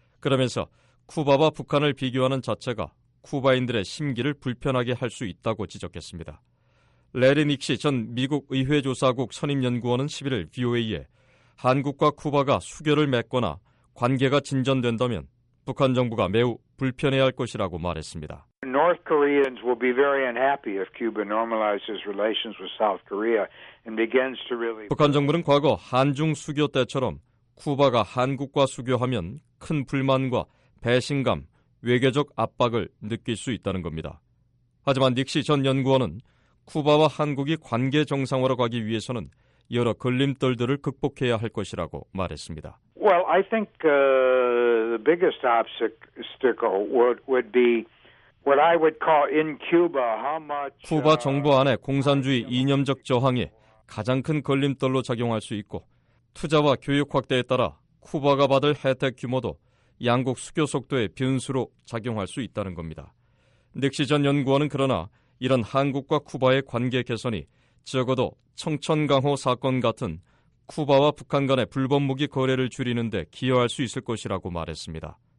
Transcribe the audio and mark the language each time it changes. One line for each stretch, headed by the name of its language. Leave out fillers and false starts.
Korean: 그러면서 쿠바와 북한을 비교하는 자체가 쿠바인들의 심기를 불편하게 할 수 있다고 지적했습니다. 레리 닉시 전 미국 의회 조사국 선임연구원은 11일 VOA에 한국과 쿠바가 수교를 맺거나 관계가 진전된다면 북한 정부가 매우 불편해야 할 것이라고 말했습니다.
English: North Koreans will be very unhappy if Cuba normalizes relations with South Korea and begins to really.
Korean: 북한 정부는 과거 한중 수교 때처럼 쿠바가 한국과 수교하면 큰 불만과 배신감, 외교적 압박을 느낄 수 있다는 겁니다. 하지만 닉시 전 연구원은 쿠바와 한국이 관계 정상화로 가기 위해서는 여러 걸림돌들을 극복해야 할 것이라고 말했습니다.
English: Well, I think the biggest obstacle would be what I would call in Cuba how much
Korean: 쿠바 정부 안에 공산주의 이념적 저항이 가장 큰 걸림돌로 작용할 수 있고 투자와 교육 확대에 따라 쿠바가 받을 혜택 규모도 양국 수교 속도의 변수로 작용할 수 있다는 겁니다. 닉시 전 연구원은 그러나 이런 한국과 쿠바의 관계 개선이 적어도 청천강호 사건 같은 쿠바와 북한 간의 불법 무기 거래를 줄이는 데 기여할 수 있을 것이라고 말했습니다.